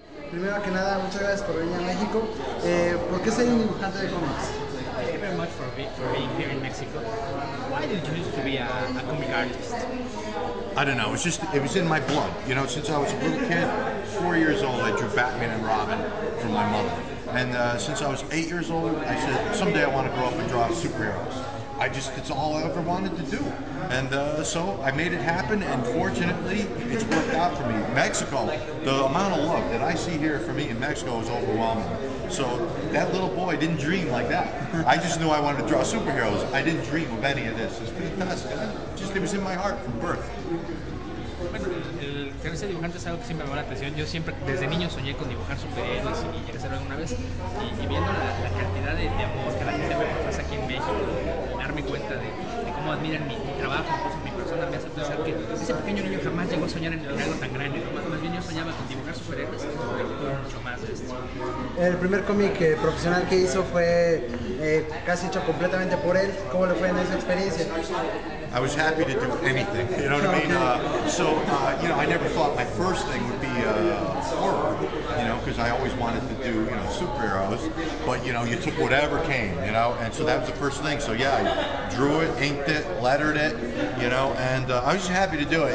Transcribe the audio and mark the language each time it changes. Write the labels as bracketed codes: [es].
[es] primero que nada, muchas gracias por venir a México. ¿Por qué ser un dibujante de cómics? [en] Thank you very much for being here in Mexico. Why did you used to be a comic artist? I don't know. It was in my blood. You know, since I was a little kid, 4 years old, I drew Batman and Robin for my mother. And since I was 8 years old, I said, someday I want to grow up and draw superheroes. It's all I ever wanted to do. And so I made it happen, and fortunately, it's worked out for me. Mexico, the amount of love that I see here for me in Mexico is overwhelming. So that little boy didn't dream like that. I just knew I wanted to draw superheroes. I didn't dream of any of this. It's fantastic. It was in my heart from birth. [es] Que ese dibujante es algo que siempre me llamó la atención. Yo siempre, desde niño, soñé con dibujar superhéroes y llegué a hacerlo alguna vez. Y viendo la cantidad de amor que la gente me pasa aquí en México, darme cuenta de cómo admiran mi trabajo, incluso mi persona, me hace pensar que ese pequeño niño jamás llegó a soñar en algo tan grande. Más bien yo soñaba con dibujar superhéroes y mucho más de esto. El primer cómic profesional que hizo fue casi hecho completamente por él. ¿Cómo le fue en esa experiencia? [en] I was happy to do anything, you know what I mean? I never thought my first thing would be horror, you know, because I always wanted to do, you know, superheroes. But, you know, you took whatever came, you know, and so that was the first thing. So, yeah, I drew it, inked it, lettered it, you know, and I was just happy to do it.